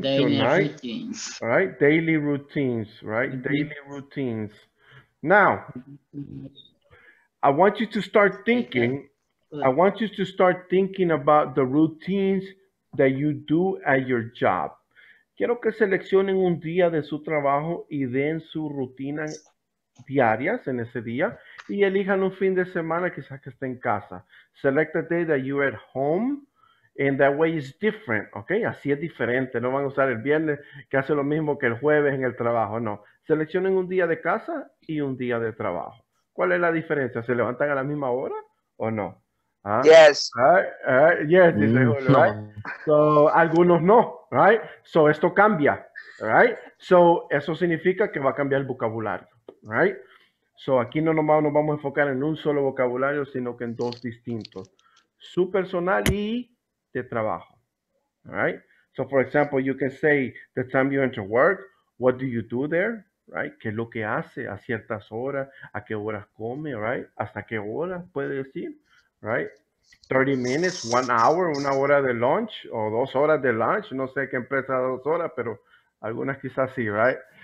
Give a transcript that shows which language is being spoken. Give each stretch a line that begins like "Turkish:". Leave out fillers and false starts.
English: daily till night. Routines. All right? Daily routines, right? Mm-hmm. Daily routines. Now, I want you to start thinking. Okay. I want you to start thinking about the routines that you do at your job.
Spanish: Quiero que seleccionen un día de su trabajo y den su rutina diaria en ese día. Y elijan un fin de semana quizás que esté en casa.
English: Select a day that you're at home. And that way is different, okay?
Spanish: Así es diferente. No van a usar el viernes que hace lo mismo que el jueves en el trabajo, no. Seleccionen un día de casa y un día de trabajo. ¿Cuál es la diferencia? ¿Se levantan a la misma hora o no?
English: Yes. Yes, dice Julio, right? So,
Spanish: algunos no,
English: right?
Spanish: So, esto cambia, right? So, eso significa que va a cambiar el vocabulario, right? So, aquí no nomás nos vamos a enfocar en un solo vocabulario, sino que en dos distintos. Su personal y de trabajo, right?
English: So, for example, you can say, the time you enter work, what do you do there, right?
Spanish: ¿Qué es lo que hace a ciertas horas? ¿A qué horas come, right? ¿Hasta qué hora puede decir, right?
English: 30 minutes, 1 hour,
Spanish: una hora de lunch, o 2 horas de lunch. No sé qué empresa 2 horas, pero algunas quizás sí, right?